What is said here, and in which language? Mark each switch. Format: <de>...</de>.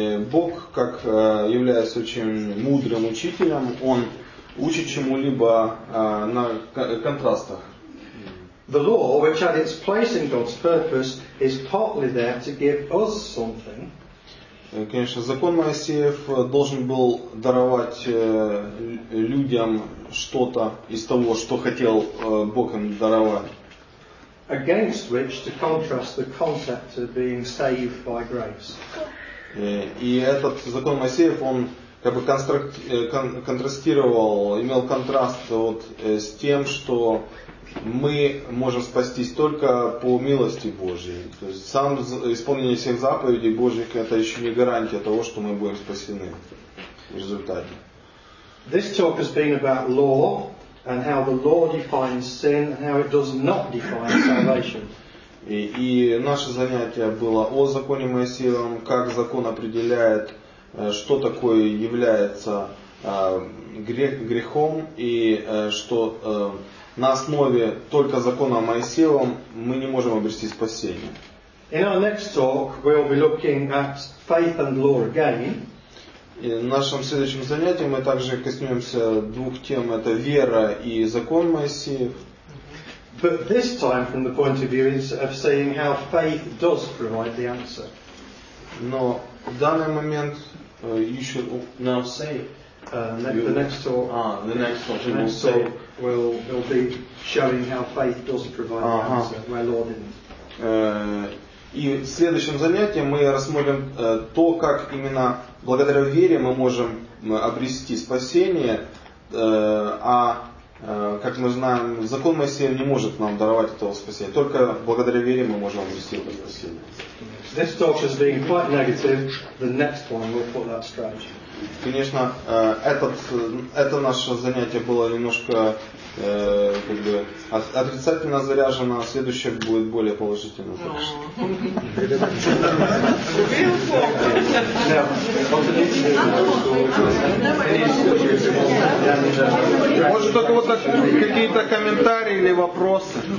<ru>Бог, как является очень мудрым учителем, он учит чему-либо на контрастах.</ru> <en>The law, which had its place in God's purpose, is partly there to give us something.</en> <ru>Конечно, закон Моисеев должен был даровать людям что-то из того, что хотел Бог им даровать.</ru> <en>Against which to contrast the concept of being saved by grace.</en> <ru>И этот закон Моисеев, он как бы контрастировал, имел контраст вот с тем, что мы можем спастись только по милости Божьей. То есть сам исполнение всех заповедей Божьих – это еще не гарантия того, что мы будем спасены в результате.</ru> <en>This talk has been about law and how the law defines sin and how it does not define salvation.</en> <ru>И наше занятие было о законе Моисеева, как закон определяет, что такое является грехом и что на основе только закона Моисеева мы не можем обрести спасение.</ru> <en>In our next talk we'll be looking at faith and law again.</en> <ru>И в нашем следующем занятии мы также коснемся двух тем, это вера и закон Моисеев.</ru> <en>But this time from the point of view of seeing how faith does provide the answer.</en> <ru>Но в данный момент</ru> <en>you should now say the next talk. The next talk we will say. Will be showing how faith does provide the answer where law didn't.</en> <ru>И в следующем занятии мы рассмотрим то, как именно благодаря вере мы можем обрести спасение, как мы знаем, закон Моисея не может нам даровать этого спасения. Только благодаря вере мы можем обрести это спасение.</ru> <en>This talk has been quite negative. The next one will put that strategy.</en> <ru>Конечно, это наше занятие было немножко как бы отрицательно заряжено, а следующее будет более положительно. Может, у кого-то какие-то комментарии или вопросы?</ru>